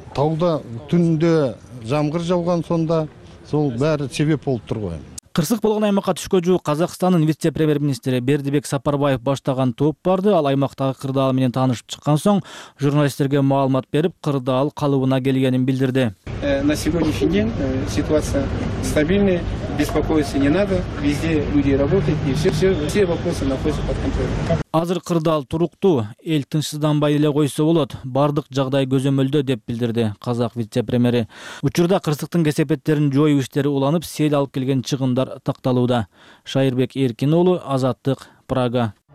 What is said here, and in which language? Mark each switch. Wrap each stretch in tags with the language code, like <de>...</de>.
<ky>Тауда түндө жамгыр жауган, сонда сол баары себеп болуп турган. Кырсык болгон аймакка түшкө жуук Казакстандын вице-премьер-министри Бердибек Сапарбаев баштаган топ барды. Ал аймактагы кырдаал менен таанышып чыккан соң журналисттерге маалымат берип, кырдаал калыбына келгенин билдирди.</ky> <ru>На сегодняшний день ситуация стабильная, беспокоиться не надо, везде люди работают и все вопросы находятся под контролем.</ru> <ky>Азыр кырдаал туруктуу, эл тынчсызданбай эле койсо болот, бардык жагдай көзөмөлдө деп билдирди казак вице-премьери. Учурда кырсыктын кесепеттерин жоюу иштери уланып, сел алып келген чыгымдар такталууда. Шайырбек Эркин уулу, Азаттык, Прага.</ky>